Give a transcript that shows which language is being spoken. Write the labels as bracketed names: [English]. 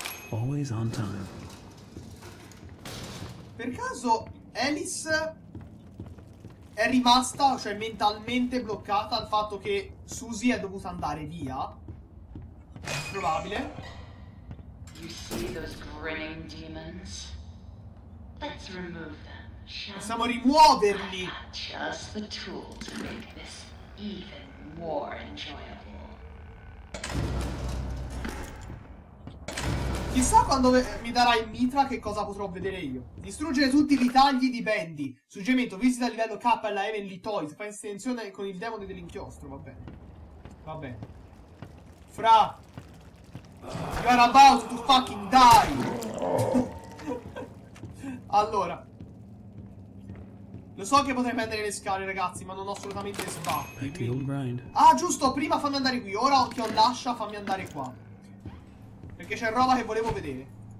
[English] Always on time. [Italian] Per caso Alice è rimasta, cioè mentalmente bloccata al fatto che Susie è dovuta andare via? Probabile. [English] You see those grinning demons? Let's remove them. [Italian] Possiamo rimuoverli. [English] Just the tool to make this even more enjoyable. [Italian] Chissà quando mi darà il mitra che cosa potrò vedere io. Distruggere tutti i ritagli di Bendy. Suggerimento, visita il livello K alla Heavenly Toys. Fa estensione con il demone dell'inchiostro. Va bene. Va bene. Fra. [English] You are about to fucking die. [Italian] Allora, lo so che potrei prendere le scale, ragazzi, ma non ho assolutamente spazio. Ah, giusto, prima fammi andare qui. Ora occhio lascia, fammi andare qua. Perché c'è roba che volevo vedere.